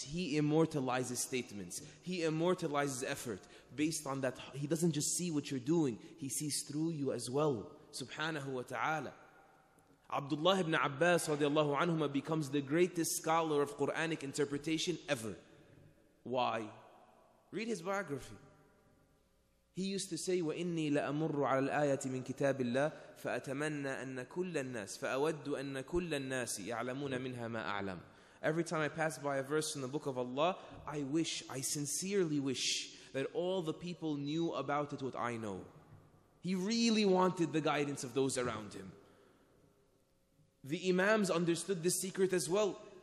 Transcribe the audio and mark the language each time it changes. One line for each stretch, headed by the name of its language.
English: He immortalizes statements. He immortalizes effort. Based on that, He doesn't just see what you're doing. He sees through you as well. Subhanahu wa ta'ala. Abdullah ibn Abbas radiallahu anhuma becomes the greatest scholar of Quranic interpretation ever. Why? Read his biography. He used to say,
Arabic: وَإِنِّي لَأَمُرُّ عَلَى الْآيَةِ مِنْ كِتَابِ اللَّهِ فَأَتَمَنَّ أَنَّ كُلَّ النَّاسِ فَأَوَدُّ أَنَّ كُلَّ النَّاسِ يَعْلَمُونَ مِنْهَا مَا أَعْلَمُ.
English: Every time I pass by a verse in the book of Allah, I sincerely wish that all the people knew about it what I know. He really wanted the guidance of those around him. The imams understood this secret as well.